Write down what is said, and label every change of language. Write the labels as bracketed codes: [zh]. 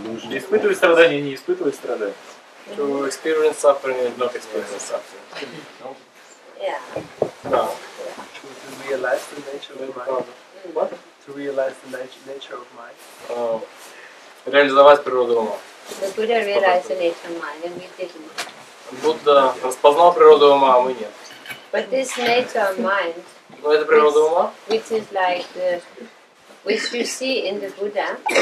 [ru] Испытывать страдания, не испытывать страдания. [en] To experience suffering and not experience suffering. Yeah. To realize the nature of mind. What? To realize the nature of mind. [ru] Реализовать природу ума. [en] The Buddha realized the nature of mind, and we didn't. [ru] Будда распознал природу ума, а мы нет. [en] But this nature of mind. [ru] Но это природа ума. [en] Which is like the which you see in the Buddha.